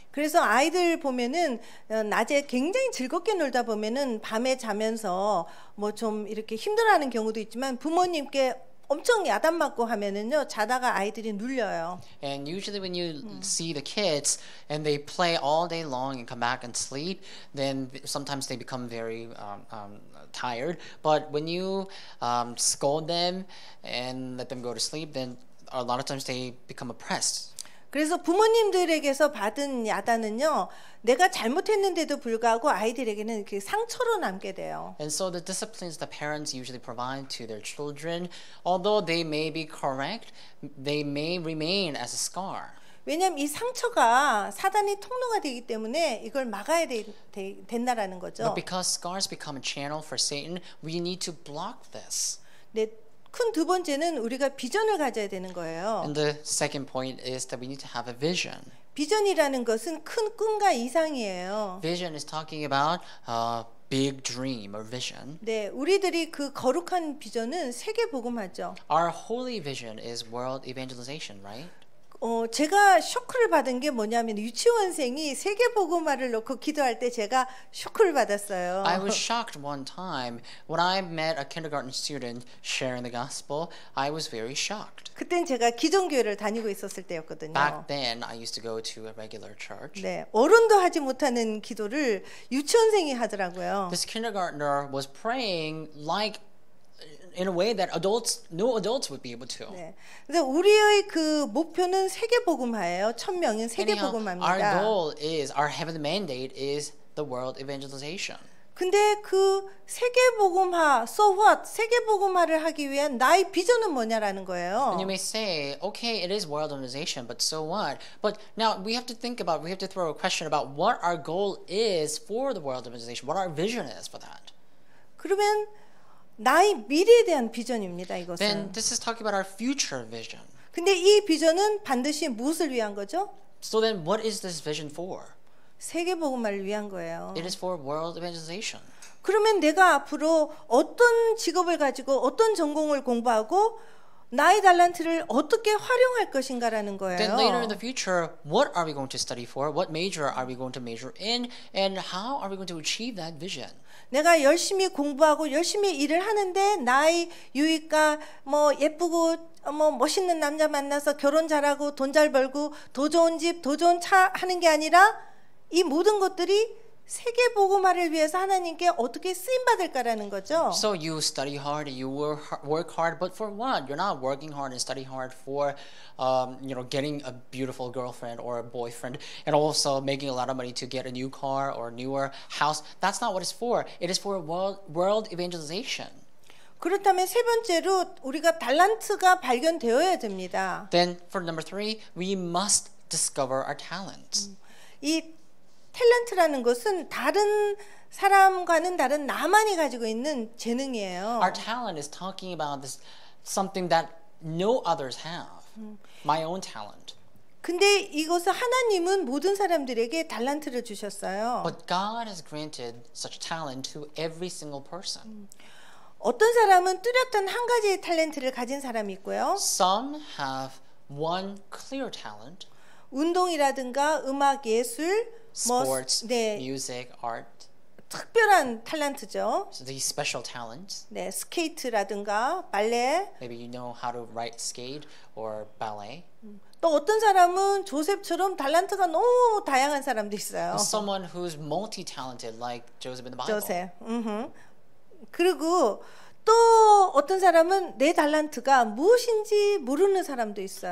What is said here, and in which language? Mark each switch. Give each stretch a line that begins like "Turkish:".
Korean: 그래서 아이들 보면은 낮에 굉장히 즐겁게 놀다 보면은 밤에 자면서 뭐 좀 이렇게 힘들어하는 경우도 있지만 부모님께 엄청 야단 맞고 하면은요 자다가 아이들이 눌려요.
English: And usually when you see the kids and they play all day long and come back and sleep, then sometimes they become very tired. But when you scold them and let them go to sleep, then a lot of times they become oppressed.
Korean: 그래서 부모님들에게서 받은 야단은요, 내가 잘못했는데도 불구하고 아이들에게는 그 상처로 남게 돼요.
English: And so the disciplines the parents usually provide to their children, although they may be correct, they may remain as a scar.
Korean: 왜냐면 이 상처가 사단의 통로가 되기 때문에 이걸 막아야 된다라는 거죠.
English: But because scars become a channel for Satan, we need to block this.
Korean: 네. 큰 두 번째는 우리가 비전을 가져야 되는 거예요.
English: And the second point is that we need to have a vision.
Korean: 비전이라는 것은 큰 꿈과 이상이에요.
English: Vision is talking about a big dream or vision.
Korean: 네, 우리들이 그 거룩한 비전은 세계 복음화죠.
English: Our holy vision is world evangelization, right?
Korean: 제가 쇼크를 받은 게 뭐냐면 유치원생이 세계복음화를 놓고 기도할 때 제가 쇼크를 받았어요.
English: I was shocked one time when I met a kindergarten student sharing the gospel. I was very shocked.
Korean: 그땐 제가 기존교회를 다니고 있었을 때였거든요.
English: Back then, I used to go to a regular church.
Korean: 네, 어른도 하지 못하는 기도를 유치원생이 하더라고요.
English: This kindergartner was praying like in a way that adults, no adults would be able to.
Korean: 네. 근데 우리의 그 목표는 세계복음화예요. 1,000명인 세계복음화입니다.
English: Our goal is, our heavenly mandate is the world evangelization.
Korean: 근데 그 세계복음화,
English: so what?
Korean: 세계복음화를 하기 위한 나의 비전은 뭐냐라는 거예요.
English: And you may say, okay, it is world evangelization, but so what? But now we have to think about, we have to throw a question about what our goal is for the world evangelization, what our vision is for that.
Korean: 그러면 나의 미래에 대한 비전입니다. 이것은.
English: Then this is talking about our future vision.
Korean: 근데 이 비전은 반드시 무엇을 위한 거죠?
English: So then what is this vision for?
Korean: 세계복음화를 위한 거예요.
English: It is for world evangelization.
Korean: 그러면 내가 앞으로 어떤 직업을 가지고 어떤 전공을 공부하고 나의 달란트를 어떻게 활용할 것인가라는 거예요.
English: Then later in the future, what are we going to study for? What major are we going to major in? And how are we going to achieve that vision?
Korean: 내가 열심히 공부하고 열심히 일을 하는데 나의 유익과 뭐 예쁘고 뭐 멋있는 남자 만나서 결혼 잘하고 돈 잘 벌고 더 좋은 집, 더 좋은 차 하는 게 아니라 이 모든 것들이 세계복음화를 위해서 하나님께 어떻게 쓰임받을까라는 거죠.
English: So you study hard, you work hard, but for what? You're not working hard and study hard for, you know, getting a beautiful girlfriend or a boyfriend, and also making a lot of money to get a new car or a newer house. That's not what it's for. It is for world evangelization.
Korean: 그렇다면 세 번째로 우리가 달란트가 발견되어야 됩니다.
English: Then for number three, we must discover our talents. 이
Korean: 탤런트라는 것은 다른 사람과는 다른 나만이 가지고 있는 재능이에요.
English: Our talent is talking about this something that no others have. My own talent.
Korean: 근데 이것을 하나님은 모든 사람들에게 달란트를 주셨어요.
English: But God has granted such talent to every single person.
Korean: 어떤 사람은 뚜렷한 한 가지 탤런트를 가진 사람이 있고요.
English: Some have one clear talent.
Korean: 운동이라든가 음악, 예술,
English: sports,
Korean: 뭐, 네.
English: music, art.
Korean: 특별한 탤런트죠.
English: So the special talents.
Korean: 네, 스케이트라든가 발레.
English: Maybe you know how to ride skate or ballet.
Korean: 또 어떤 사람은 조셉처럼 탤런트가 너무 다양한 사람도 있어요.
English: Someone who's multi-talented like Joseph in the Bible.
Korean: 조셉. 그리고 또 어떤 사람은 내 탤런트가 무엇인지 모르는 사람도 있어요.